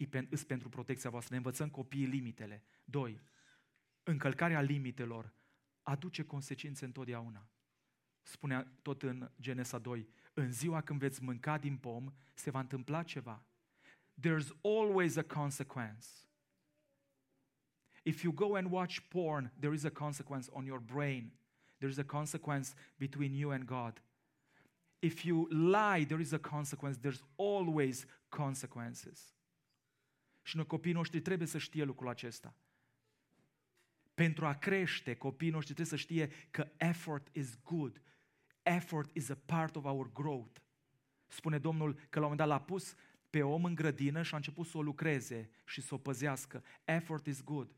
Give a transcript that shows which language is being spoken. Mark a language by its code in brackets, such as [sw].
[ro] Îs pentru protecția voastră. Ne învățăm copiii limitele. 2. Încălcarea limitelor aduce consecințe întotdeauna. Spunea tot în Genesa 2, în ziua când veți mânca din pom, se va întâmpla ceva. [en] There's always a consequence. If you go and watch porn, there is a consequence on your brain. There is a consequence between you and God. If you lie, there is a consequence. There's always consequences. [ro] Și noi, copiii noștri, trebuie să știe lucrul acesta. Pentru a crește, copiii noștri trebuie să știe că [en] effort is good. Effort is a part of our growth. [ro] Spune Domnul că la un moment dat l-a pus pe om în grădină și a început să o lucreze și să o păzească. [en] Effort is good.